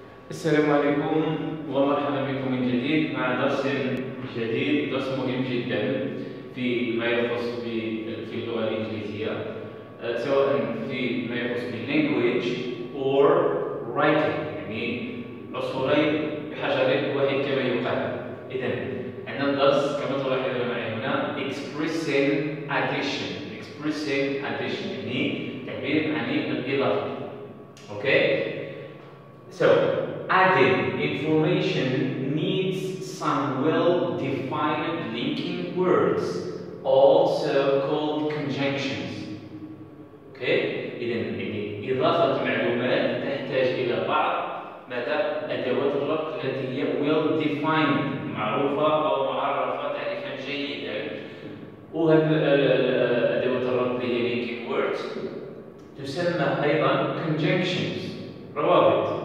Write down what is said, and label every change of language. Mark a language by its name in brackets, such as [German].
[Arabic] السلام عليكم ومرحبا بكم من جديد مع درس جديد، درس مهم جدا في ما يخص في اللغة الإنجليزية، سواء في ما يخص في [English] language or writing، [Arabic] يعني عصفورين بحجر واحد كما يقال. إذن عندنا الدرس كما تلاحظون معي هنا expressing addition، expressing addition يعني تعبير عن الإضافة. [English] Okay. So adding information needs some well-defined linking words, also called conjunctions. Okay. [Arabic] إذن إضافة معلومات تحتاج إلى بعض ماذا؟ أدوات الربط التي هي well-defined، معروفة أو معرفة تعريفا جيدا. وهذه أدوات الربط هي linking words، تسمى أيضا conjunctions، روابط.